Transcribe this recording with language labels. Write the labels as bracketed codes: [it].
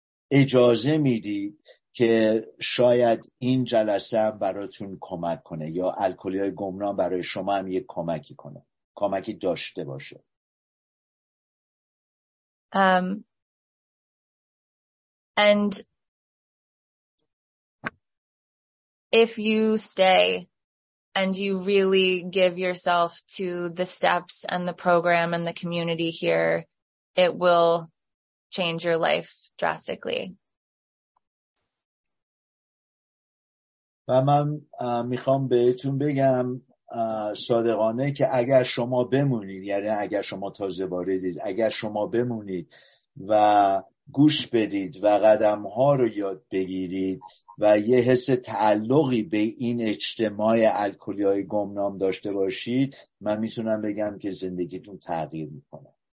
[fa] اجازه میدید که شاید این جلسه براتون کمک کنه یا الکلی‌های گمنام برای شما هم یک کمکی کنه، کمکی داشته باشه. [en] And if you stay and you really give yourself to the steps and the program and the community here, it will change your life drastically. [fa] و من میخوام بهتون بگم صادقانه که اگر شما بمونید، یعنی اگر شما تازه واردید، اگر شما بمونید و گوش بدید و قدم ها رو یاد بگیرید و یه حس تعلقی به این اجتماع الکلی‌های گمنام داشته باشید، من میتونم بگم که زندگیتون تغییر میکنه.